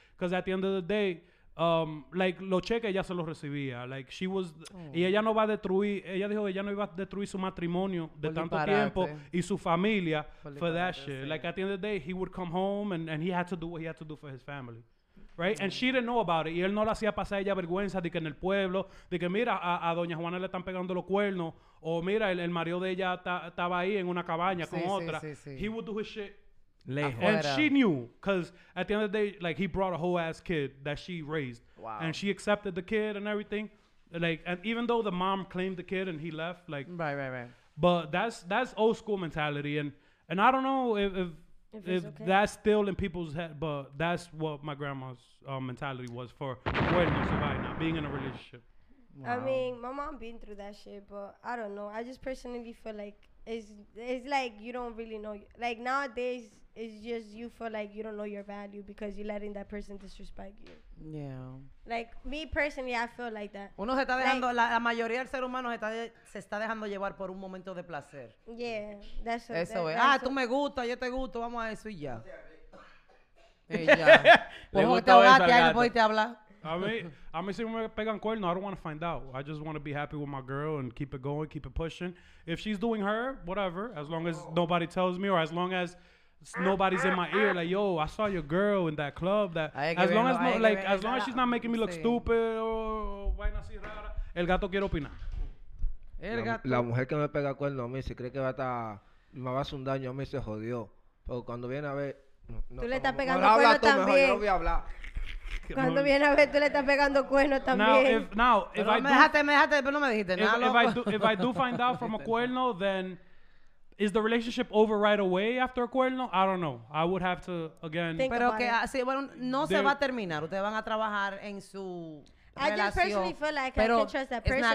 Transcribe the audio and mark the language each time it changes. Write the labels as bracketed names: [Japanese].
[English] Because at the end of the day, like, [Spanish] los cheques ella se los recibía. [English] Like, she was... Oh. [Spanish] Y ella no va a destruir... Ella dijo que ella no iba a destruir su matrimonio de tanto tiempo y su familia [English] for that shit. [Spanish] Sí. [English] Like, at the end of the day, he would come home and he had to do what he had to do for his family. Right? Mm. And she didn't know about it. [Spanish] Y él no le hacía pasar a ella vergüenza de que en el pueblo... De que, mira, a Doña Juana le están pegando los cuernos. O, mira, el marido de ella estaba ahí en una cabaña con otra. Sí. [English] He would do his shit... [Spanish] Lejos. [English] And she knew, because at the end of the day, like, he brought a whole ass kid that she raised. Wow. And she accepted the kid and everything. Like, and even though the mom claimed the kid and he left, like, right. But that's old school mentality. And I don't know if okay. That's still in people's head, but that's what my grandma's mentality was for when you survive now, being in a relationship. Wow. I mean, my mom been through that shit, but I don't know. I just personally feel like it's like you don't really know. Like, nowadays, it's just you feel like you don't know your value because you're letting that person disrespect you. Yeah. Like, me personally, I feel like that. [Spanish] Uno se está dejando, like, la mayoría del ser humano se está dejando llevar por un momento de placer. [English] Yeah, that's what [Spanish] eso [English] that, [Spanish] es. [English] That's [Spanish] ah, tú me gustas, yo te gusto, vamos a eso y ya. Ella. Te ahogaste ahí, no pudiste hablar. [English] I mean, [Spanish] si me pegan cuerno, [English] I don't want to find out. I just want to be happy with my girl and keep it going, keep it pushing. If she's doing her, whatever, as long as nobody tells me or as long as nobody's in my ear. Like, yo, I saw your girl in that club. That as long as no, like as long as she's not making me look stupid or [Spanish] vaina así rara. El gato quiere opinar. El gato. La mujer que me pega cuerno a mí, si cree que va a estar, me va a hacer un daño a mí, se jodió. Pero cuando viene a ver, no, tú le estás pegando cuerno habla también. Mejor, yo no voy a hablar. Cuando viene a ver, tú le estás pegando cuerno también. [English] Now, if I do, [Spanish] pero no me dijiste nada. [English] If I do find out from a cuerno, then is the relationship over right away after a cuerno? I don't know. I would have to, again. [Spanish] Think pero que, así, bueno, no se va a terminar. Ustedes van a trabajar en su relación. [English] I just personally feel like [Spanish] pero [English] I can trust that person. It's not